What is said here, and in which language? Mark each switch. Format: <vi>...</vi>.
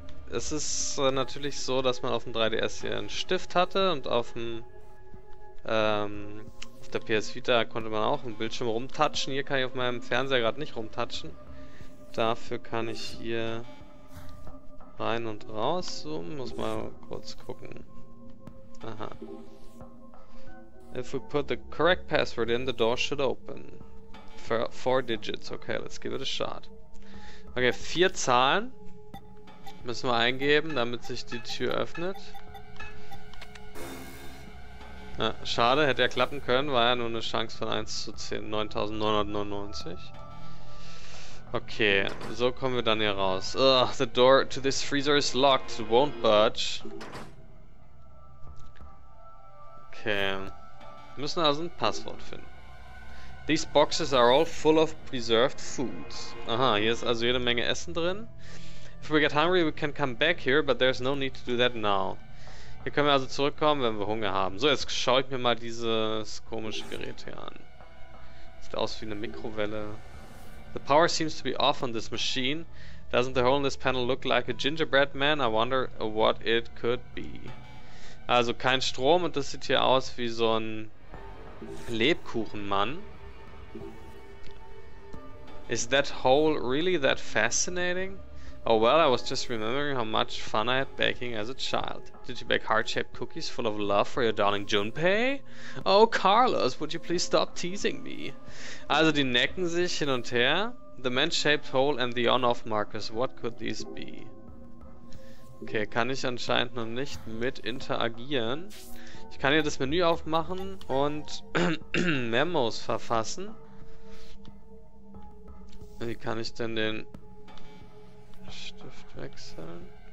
<de>Es ist natürlich so, dass man auf dem 3DS hier einen Stift hatte und auf dem auf der PS Vita konnte man auch im Bildschirm rumtatschen. Hier kann ich auf meinem Fernseher gerade nicht rumtatschen. Dafür kann ich hier rein und raus zoomen. Muss mal kurz gucken. Aha.</de> <en>If we put the correct password in, the door should open. Four digits. Okay, let's give it a shot.</en> <de>Okay, vier Zahlen müssen wir eingeben, damit sich die Tür öffnet. Ja, schade, hätte ja klappen können, war ja nur eine Chance von 1 zu 10, 9999. Okay, so kommen wir dann hier raus.</de> <en>Ugh, the door to this freezer is locked, won't budge.</en> <de>Okay, wir müssen also ein Passwort finden.</de> <en>These boxes are all full of preserved foods.</en> <de>Aha, hier ist also jede Menge Essen drin.</de> <en>If we get hungry, we can come back here, but there's no need to do that now.</en> <de>Hier können wir also zurückkommen, wenn wir Hunger haben. So, jetzt schaue ich mir mal dieses komische Gerät hier an. Sieht aus wie eine Mikrowelle.</de> <en>The power seems to be off on this machine. Doesn't the hole in this panel look like a gingerbread man? I wonder what it could be.</en> <de>Also kein Strom und das sieht hier aus wie so ein Lebkuchenmann.</de> <en>Is that hole really that fascinating? Oh well, I was just remembering how much fun I had baking as a child. Did you bake heart-shaped cookies full of love for your darling Junpei? Oh, Carlos, would you please stop teasing me?</en> <de>Also, die necken sich hin und her.</de> <en>The man-shaped hole and the on-off markers. What could these be?</en> <de>Okay, kann ich anscheinend noch nicht mit interagieren. Ich kann hier das Menü aufmachen und Memos verfassen. Wie kann ich denn den Stift wechseln?</de>